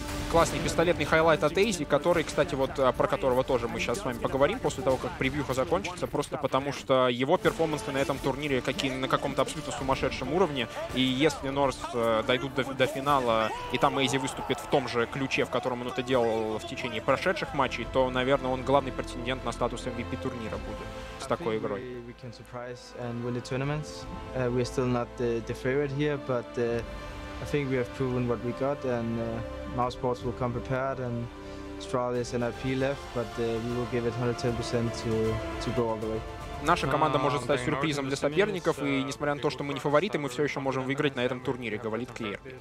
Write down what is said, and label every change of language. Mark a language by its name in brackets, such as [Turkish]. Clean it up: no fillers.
[Russian] Классный пистолетный хайлайт от Эйзи, который, кстати, вот про которого тоже мы сейчас с вами поговорим после того, как превьюха закончится, просто потому что его перформансы на этом турнире какие на каком-то абсолютно сумасшедшем уровне. И если North дойдут до финала, и там Эйзи выступит в том же ключе, в котором он это делал в течение прошедших матчей, то, наверное, он главный претендент на статус MVP турнира будет с такой игрой. [English] We can surprise and win the tournaments. We're still not the favorite here, but I think we have proven what we got, and Mousesports will come prepared, and Stroll is NIP left, but we will give it 110% to go all the way. [Russian] Наша команда может стать сюрпризом для соперников, и несмотря на то, что мы не фавориты, мы все еще можем выиграть на этом турнире, говорит Клеер.